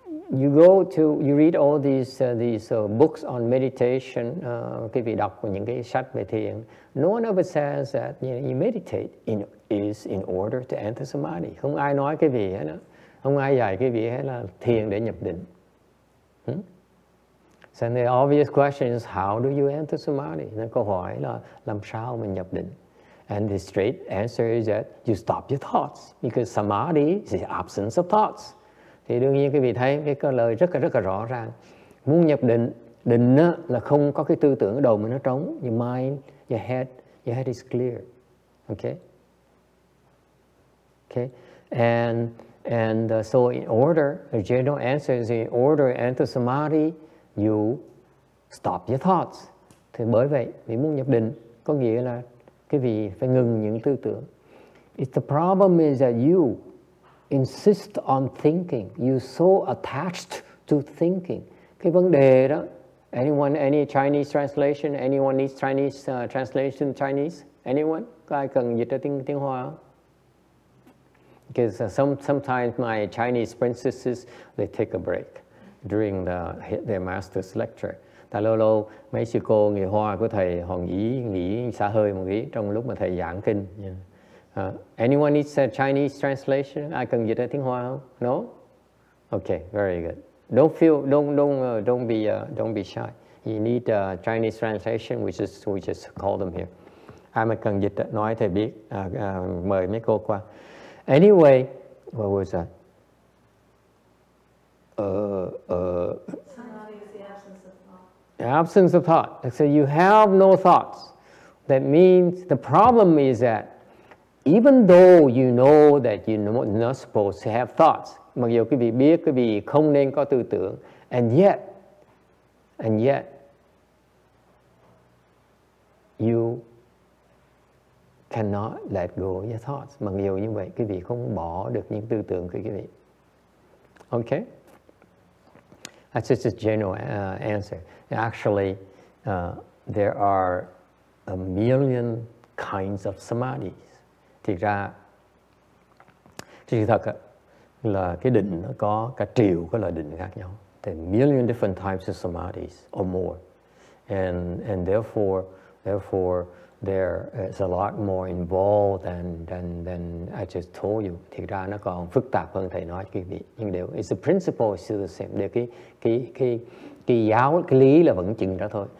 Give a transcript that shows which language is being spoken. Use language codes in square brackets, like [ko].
[en] you go to, you read all these books on meditation, [vi] khi vị đọc những cái sách về thiền, [en] no one ever says that you know, you meditate in, is in order to enter samadhi. [vi] Không ai nói cái vị hết, không ai dạy cái vị hết là thiền để nhập định. [en] So the obvious question is, how do you enter samadhi? [vi] Nên câu hỏi là làm sao mình nhập định? [en] And the straight answer is that you stop your thoughts, because samadhi is the absence of thoughts. [vi] Thì đương nhiên quý vị thấy cái câu lời rất là rõ ràng. Muốn nhập định, định là không có cái tư tưởng ở đầu mà nó trống. [en] Your mind, your head is clear. Okay? Okay? And so in order, the general answer is in order enter samadhi, you stop your thoughts. [vi] Thì bởi vậy, vì muốn nhập định có nghĩa là quý vị phải ngừng những tư tưởng. [en] If the problem is that you insist on thinking, you so attached to thinking. [vi] Cái vấn đề đó, [en] anyone, any Chinese translation, anyone needs Chinese translation, Chinese? Anyone? [vi] Có ai cần dịch ra tiếng Hoa không? [en] Because sometimes my Chinese princesses, they take a break during their master's lecture. [vi] Tại lâu lâu, mấy sư cô người Hoa của thầy Hoàng Ý nghỉ xả hơi một tí trong lúc mà thầy giảng kinh. Yeah. [en] Anyone needs a Chinese translation? [vi] Ai cần dịch ra tiếng Hoa không? [en] No? Okay, very good. Don't feel, don't be shy. You need a Chinese translation, we just call them here. [vi] Ai mà cần dịch nói thầy biết, mời mấy cô qua. [en] Anyway, what was that? Samadhi is the absence of thought. Absence of thought. So you have no thoughts. That means the problem is that even though you know that you're not supposed to have thoughts, [vi] mặc dù quý vị biết quý vị không nên có tư tưởng, [en] and yet, you cannot let go your thoughts. [vi] Mặc dù như vậy, quý vị không bỏ được những tư tưởng của quý vị. [en] Okay? That's just a general answer. Actually, there are a million kinds of samadhi. [vi] Thực ra, thật là cái định nó có cả triệu cái loại định khác nhau. [en] There are million different types of samadhis or more, and therefore there is a lot more involved than I just told you. [vi] Thực ra nó còn phức tạp hơn thầy nói quý vị. Nhưng đều [en] it's the principle is still the same. [vi] Để cái giáo cái lý là vẫn chừng đó thôi.